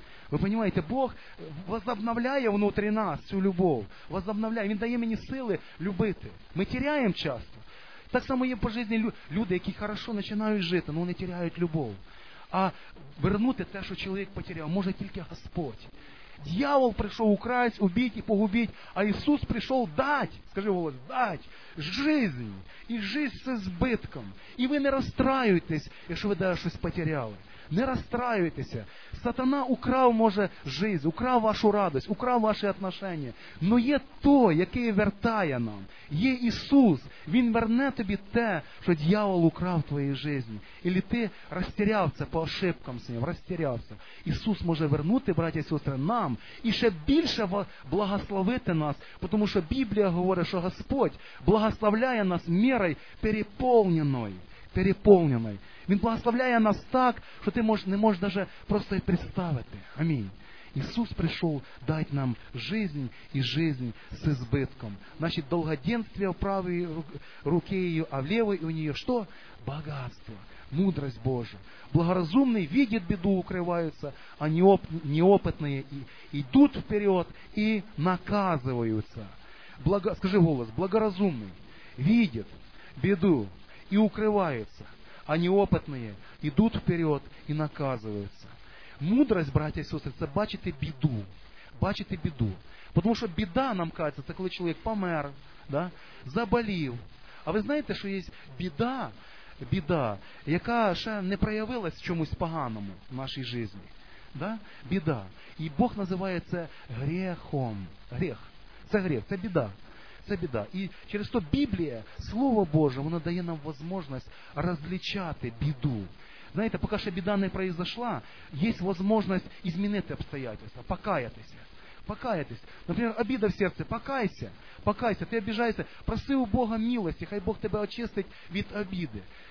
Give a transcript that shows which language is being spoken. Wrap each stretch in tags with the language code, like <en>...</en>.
<uk>Ви розумієте, Бог возобновляє внутрі нас цю любов. Возобновляє. Він дає мені сили любити. Ми теряємо часто. Так само є по житті люди, які хорошо починають жити, але вони теряють любов. А вернути те, що чоловік потеряв, може тільки Господь.</uk> <ru>Дьявол пришел украсть, убить и погубить, а Иисус пришел дать, скажи, вот, дать жизнь, и жизнь с избытком. И вы не расстраиваетесь, если вы даже что-то потеряли. Не расстраивайтесь. Сатана украл, может, жизнь, украл вашу радость, украл ваши отношения. Но есть то,</ru> <uk>яке вертає нам.</uk> <ru>Есть Иисус.</ru> <uk>Він верне тобі те, що дьявол украл в твоїй жизни.</uk> <ru>Или ты растерялся по ошибкам своим, растерялся. Иисус может вернуть, братья и сестры, нам. И еще больше благословить нас. Потому что Библия говорит, что Господь благословляет нас мерой переполненной. Переполненной.</ru> <uk>Він благословляє нас так, що ти не можеш даже просто й представити. Амінь. Ісус прийшов дати нам жизнь і жизнь з избитком. Значить, довгоденство в правій руці її, а в лівій у неї що? Багатство, мудрость Божа. Благоразумний видит беду, укриваються, а неопитні йдуть вперед і наказуються. Скажи голос, благоразумний видит беду і укриваються.</uk> <ru>А неопытные идут вперед и наказываются. Мудрость, братья и сестры, это бачити беду. Бачити беду. Потому что беда, нам кажется, это когда человек помер, да, заболел. А вы знаете, что есть беда, беда,</ru> <uk>яка ще не проявилась в чомусь поганому</uk> <ru>в нашей жизни. Да? Беда. И Бог называет это грехом. Грех. Это грех, это беда.</ru> <uk>Це біда. І через то Біблія, Слово Боже, воно дає нам можливість розлічати біду. Знаєте, поки ще біда не произошла, є можливість змінити обстоятельства, покаятися. Покаятись. Наприклад, обіда в серці, покайся. Покайся, ти обіжаєшся. Проси у Бога милості, хай Бог тебе очистить від обіди.</uk>